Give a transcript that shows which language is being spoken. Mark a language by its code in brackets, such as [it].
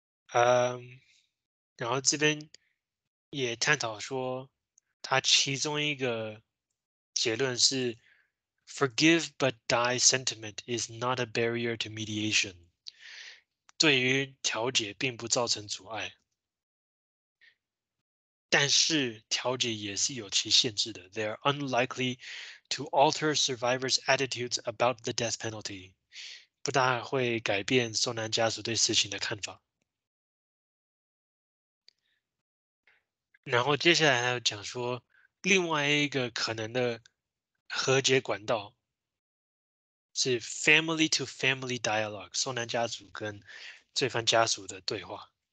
[zh] 然后这边也探讨说，他其中一个结论是。 [en] Forgive but die sentiment is not a barrier to mediation。 [zh] 对于调解并不造成阻碍，但是调解也是有其限制的。 [en] They are unlikely to alter survivors' attitudes about the death penalty。 [zh] 不大会改变受难家属对死刑的看法。然后接下来还要讲说另外一个可能的和解管道。是 [en] family to family dialogue， [zh] 受难家属跟罪犯家属的对话。